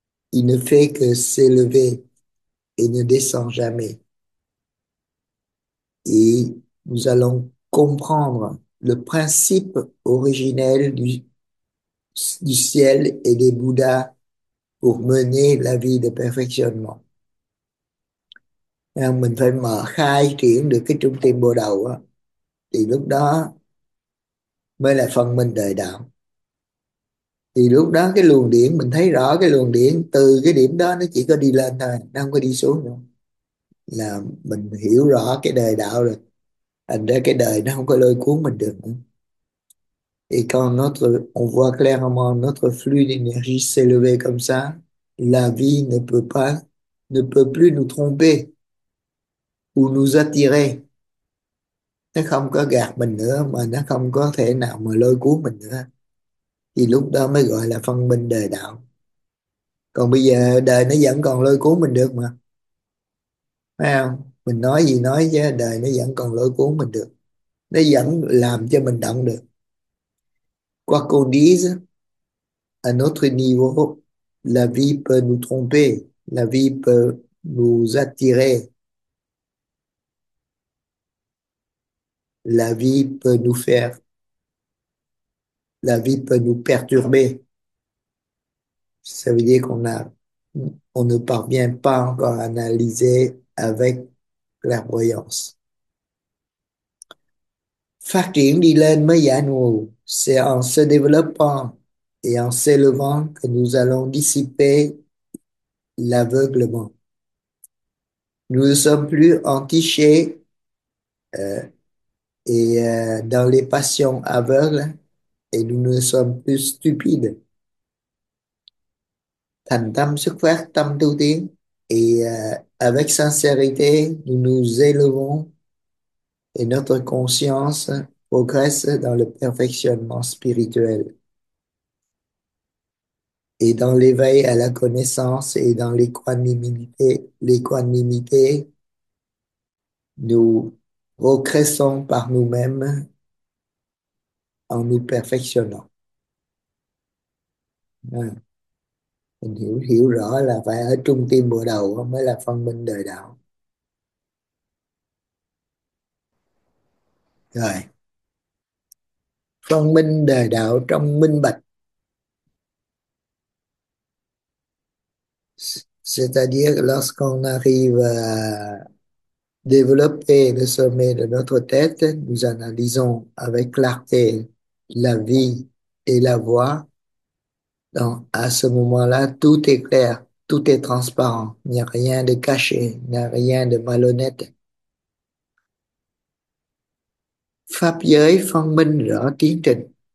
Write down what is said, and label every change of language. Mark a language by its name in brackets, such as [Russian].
[French] Il ne fait que s'élever et ne descend jamais. Et nous allons comprendre le principe originel du ciel et des Bouddhas pour mener la vie de perfectionnement. [Vietnamese] Nên mình phải mở khai triển được cái trung tâm bồ đầu á, thì lúc đó mới là phân minh đời đạo. Thì lúc đó cái luồng điển, mình thấy rõ cái luồng điển từ cái điểm đó nó chỉ có đi lên thôi, nó không có đi xuống nữa. Là mình hiểu rõ cái đời đạo rồi, thành ra cái đời nó không có lôi cuốn mình được nữa. [French] Et quand on voit clairement notre flux d'énergie s'élever comme ça, la vie ne peut plus nous tromper ou nous attirer. [Vietnamese] Nó không có gạt mình nữa, mà nó không có thể nào mà lôi cuốn mình nữa. Thì lúc đó mới gọi là phân minh đời đạo. Còn bây giờ đời nó vẫn còn lôi cuốn mình được mà. Phải không? Mình nói gì nói chứ đời nó vẫn còn lôi cuốn mình được. Nó vẫn làm cho mình động được. [French] Quoi qu'on dise, à notre niveau, la vie peut nous tromper, la vie peut nous attirer, la vie peut nous faire, la vie peut nous perturber. Ça veut dire on ne parvient pas encore à analyser avec clairvoyance. [Vietnamese] Phát triển đi lên mới giải mù. [French] C'est en se développant et en s'élevant que nous allons dissiper l'aveuglement. Nous ne sommes plus entichés dans les passions aveugles et nous ne sommes plus stupides. [Vietnamese] Thành tâm xuất phát, tâm tu tiến [French] et avec sincérité, nous nous élevons et notre conscience progresse dans le perfectionnement spirituel et dans l'éveil à la connaissance et dans l'équanimité, nous progressons par nous-mêmes en nous perfectionnant. [Vietnamese] Mình hiểu hiểu rõ là phải ở trung tâm bộ đầu mới là phân minh đời đạo. Rồi. Phân minh đời đạo trong minh bạch. [French] C'est-à-dire lorsqu'on arrive à développer le sommet de notre tête, nous analysons avec clarté la vie et la voie. Donc, à ce moment-là, tout est clair, tout est transparent. Il n'y a rien de caché, il n'y a rien de malhonnête. [Vietnamese] Pháp giới phân minh rõ tiến trình.